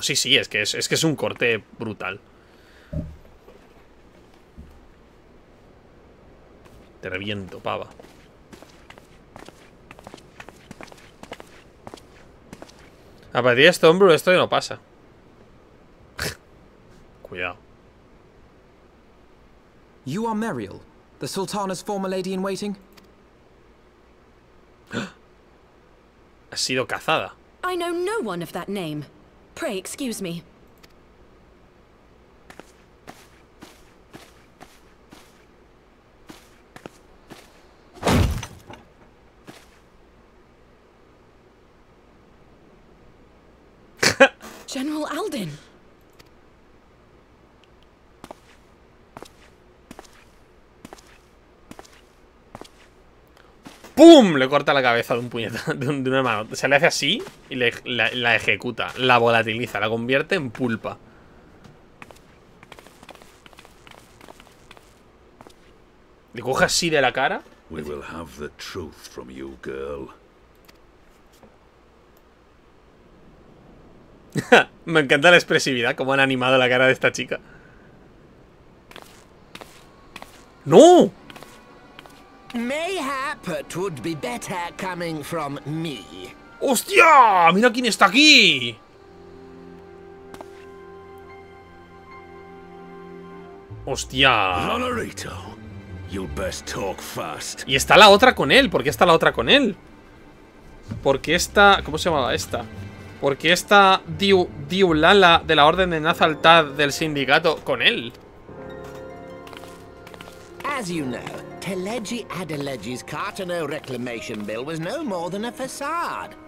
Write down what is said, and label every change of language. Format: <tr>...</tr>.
<es>Sí, sí, es que es un corte brutal. Te reviento, pava. A partir de Stormbrew, esto ya no pasa. Cuidado.</es> <en>You are Meriel, the Sultana's former lady in waiting.</en> <es>Ha sido cazada.</es> <en>I know no one of that name. Pray excuse me. General Alden.</en> <es>¡Pum! Le corta la cabeza de un puñetazo, de una mano. O sea, le hace así y la ejecuta. La volatiliza, la convierte en pulpa. ¿Le coge así de la cara?</es> <en>We will have the truth from you, girl.</en> <es>Me encanta la expresividad, cómo han animado la cara de esta chica. ¡No!</es> <en>Mayhap it would be better coming from me.</en> <es>¡Hostia! ¡Mira quién está aquí! ¡Hostia!</es> <en>Lolorito, you best talk fast.</en> <es>Y está la otra con él. ¿Por qué está la otra con él? Porque esta... ¿Cómo se llamaba esta? Porque esta Diulala de la Orden de Nazaltad del Sindicato con él.</es> <en>As you know, Teleji Adeleji's Cartano Reclamation Bill was no more than a facade.</en>